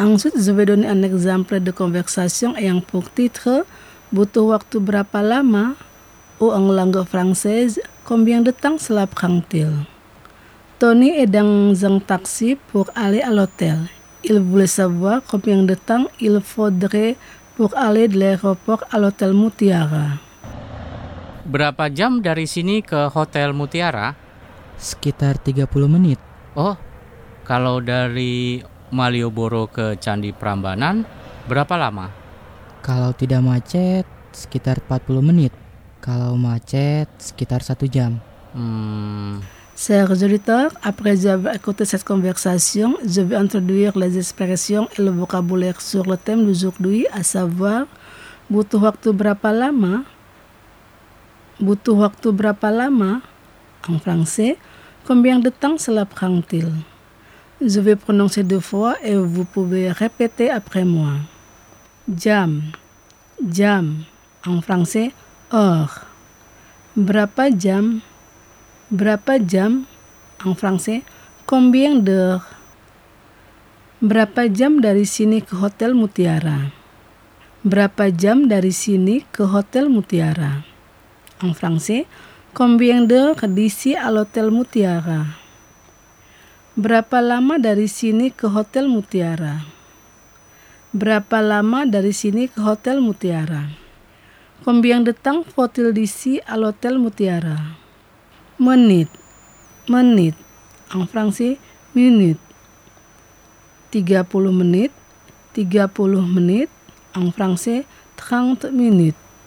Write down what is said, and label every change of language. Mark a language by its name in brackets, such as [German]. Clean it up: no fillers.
[French] Ensuite, je vais donner un exemple de conversation ayant pour titre « [Indonesian] Butuh waktu berapa lama ?» [French] ou en langue française, « Combien de temps cela prend-il ?» Tony est dans un taxi pour aller à l'hôtel. Il voulait savoir combien de temps il faudrait pour aller de l'aéroport à l'hôtel Mutiara. [Indonesian] Berapa jam dari sini ke hôtel Mutiara? Sekitar 30 menit. Oh, kalau dari Malioboro ke Candi Prambanan, berapa lama? Kalau tidak macet, sekitar 40 menit. Kalau macet, sekitar 1 jam. [French] Chers auditeurs, après avoir écouté cette conversation, je vais introduire les expressions et le vocabulaire sur le thème d'aujourd'hui, à savoir [Indonesian] butuh waktu berapa lama? Butuh waktu berapa lama? [French] En français, combien de temps cela prend-il? Je vais prononcer deux fois et vous pouvez répéter après moi. Jam. Jam. En français, heure. [Indonesian] Berapa jam? Berapa jam? [French] En français, combien d'heures? [Indonesian] Berapa jam dari sini ke Hotel Mutiara? Berapa jam dari sini ke Hotel Mutiara? [French] En français, combien d'heures d'ici à l'Hotel Mutiara? [Indonesian] Berapa lama dari sini ke Hotel Mutiara? Berapa lama dari sini ke Hotel Mutiara? [French] Combien de temps faut-il d'ici à l'Hotel Mutiara? Menit, menit, en français, minute. 30 menit, 30 menit, en français, 30 minutes.